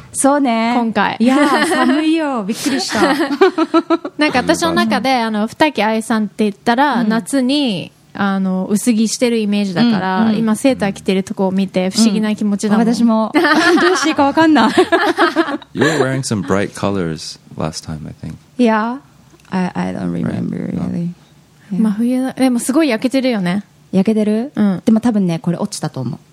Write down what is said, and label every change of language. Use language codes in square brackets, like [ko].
[ja] そうね。今回。いや、寒いよ。びっくりした。なんか私の中で、二木愛さんって言ったら、夏に、薄着してるイメージだから、うん、今セーター着てるとこを見て不思議な気持ちだもん、うん、私もどうしていいか分かんない。 [en] You were wearing some bright colors last time, I think. Yeah, I don't remember really. [ja] 真冬だ。でもすごい焼けてるよね。焼けてる、うん、でも多分ねこれ落ちたと思う。